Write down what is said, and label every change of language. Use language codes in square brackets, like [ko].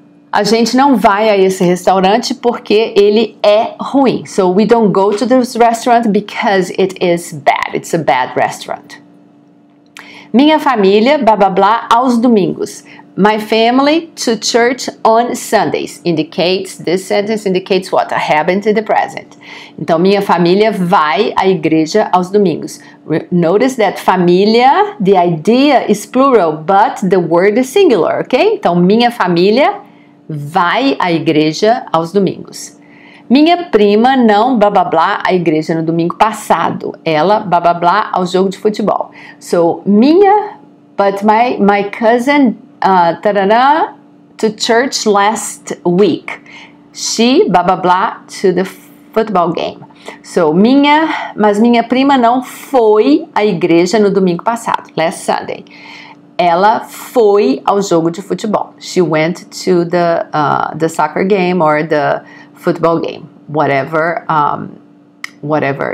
[pt] A gente não vai a esse restaurante porque ele é ruim. [en] So, we don't go to this restaurant because it is bad. It's a bad restaurant. [pt] Minha família, blá, blá, blá, aos domingos. [en] My family to church on Sundays. Indicates, this sentence indicates what? A habit in the present. [pt] Então, minha família vai à igreja aos domingos. [en] Notice that família, the idea is plural, but the word is singular, okay? [pt] Então, minha família vai à igreja aos domingos. Minha prima não, blá, blá, blá, à igreja no domingo passado. Ela, blá, blá, blá, ao jogo de futebol. [en] So, minha, but my cousin, tarará, to church last week. She, blá, blá, blá, to the football game. [pt] So, minha prima não foi à igreja no domingo passado, [en] last Sunday. [pt] Ela foi ao jogo de futebol. [en] She went to the soccer game or the football game, whatever, whatever.